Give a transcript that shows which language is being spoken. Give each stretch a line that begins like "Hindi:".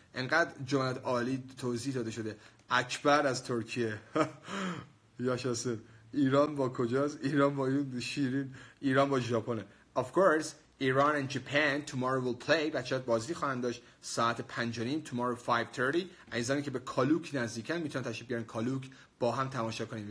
Persian: انقدر جملات عالی توضیح داده شده. اکبر از ترکیه. یاشاسر. ایران با کجاست؟ ایران با یون شیرین. ایران با ژاپنه.
English: Of course, Iran and Japan tomorrow will play.
Persian: بچه‌ها بازی خواهند داشت ساعت 5:30
English: tomorrow 5:30.
Persian: عزیزانی که به کالوک نزدیکن میتونن تشریف بیارن کالوک با هم تماشا کنیم.